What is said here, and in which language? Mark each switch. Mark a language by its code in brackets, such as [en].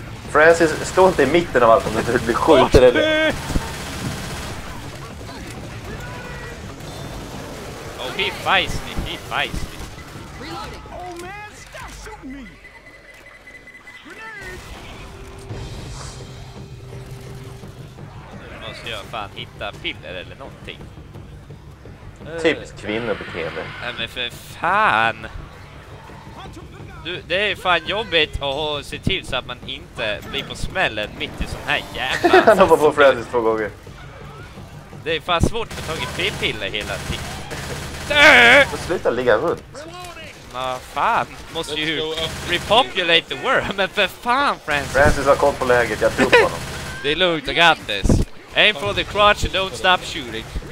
[sv] Francis, stå inte i mitten av allt om du inte blir skjuten eller... [en] Oh, he fights me, he fights me. Reloading. Oh man, stop shooting me! [sv] Grenade! Nu måste jag fan hitta piller eller någonting. Typiskt kvinnor på TV. Nej men för fan! Du, det är fan jobbigt att ha, se till så att man inte blir på smällen mitt i sån här jävla... Han hoppar på Francis två gånger. Det är fan svårt att ta tagit p-piller hela tiden. Du får sluta ligga runt. Nå fan, måste ju [en] repopulate the world. [sv] Men för fan Francis. Francis har koll på läget, jag tror på honom. Det är lugnt, [en] I got this. Aim for the crotch and don't stop shooting.